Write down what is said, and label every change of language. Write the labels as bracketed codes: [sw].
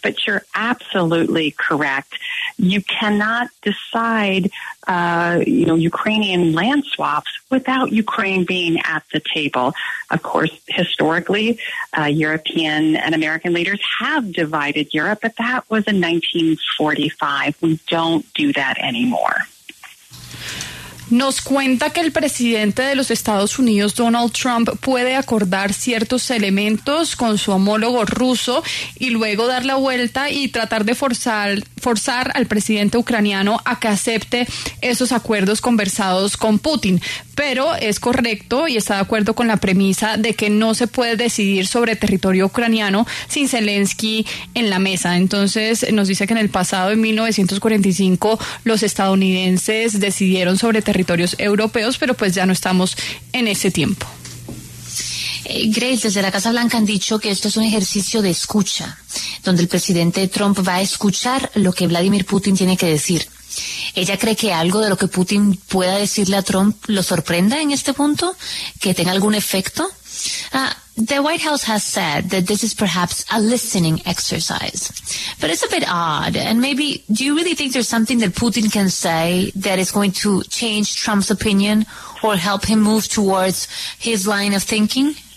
[en] But you're absolutely correct. You cannot decide, Ukrainian land swaps without Ukraine being at the table. Of course, historically, European and American leaders have divided Europe, but that was in 1945. We don't do that anymore. [es] Nos cuenta que el presidente de los Estados Unidos, Donald Trump, puede acordar ciertos elementos con su homólogo ruso y luego dar la vuelta y tratar de forzar al presidente ucraniano a que acepte esos acuerdos conversados con Putin. Pero es correcto y está de acuerdo con la premisa de que no se puede decidir sobre territorio ucraniano sin Zelensky en la mesa. Entonces nos dice que en el pasado, en 1945, los estadounidenses decidieron sobre territorios europeos, pero pues ya no estamos en ese tiempo. Grace, desde la Casa Blanca han dicho que esto es un ejercicio de escucha, donde el presidente Trump va a escuchar lo que Vladimir Putin tiene que decir. ¿Ella cree que algo de lo que Putin pueda decirle a Trump lo sorprenda en este punto? ¿Que tenga algún efecto? [en] The White House has said that this is perhaps a listening exercise. But it's a bit odd. And maybe, do you really think there's something that Putin can say that is going to change Trump's opinion or help him move towards his line of thinking?